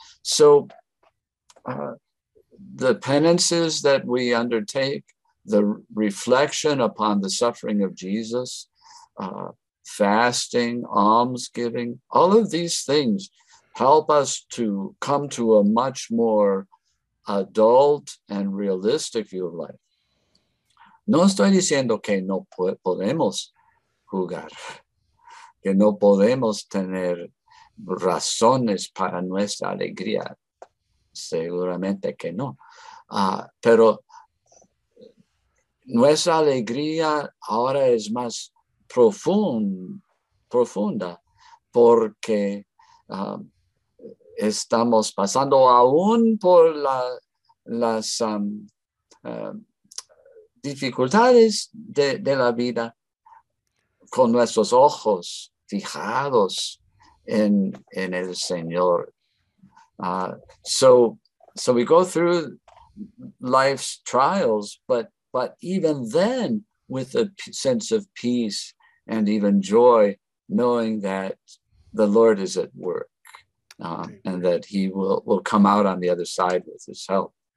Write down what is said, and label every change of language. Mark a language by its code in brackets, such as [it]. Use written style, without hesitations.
[en] So the penances that we undertake, the reflection upon the suffering of Jesus, fasting, almsgiving, all of these things help us to come to a much more adult and realistic view of life. [es] No estoy diciendo que no podemos jugar, que no podemos tener razones para nuestra alegría. Seguramente que no. Pero nuestra alegría ahora es más profunda porque estamos pasando aún por las dificultades de la vida con nuestros ojos fijados en el Señor. [en] So we go through life's trials, but even then with a sense of peace and even joy, knowing that the Lord is at work and that he will come out on the other side with his help.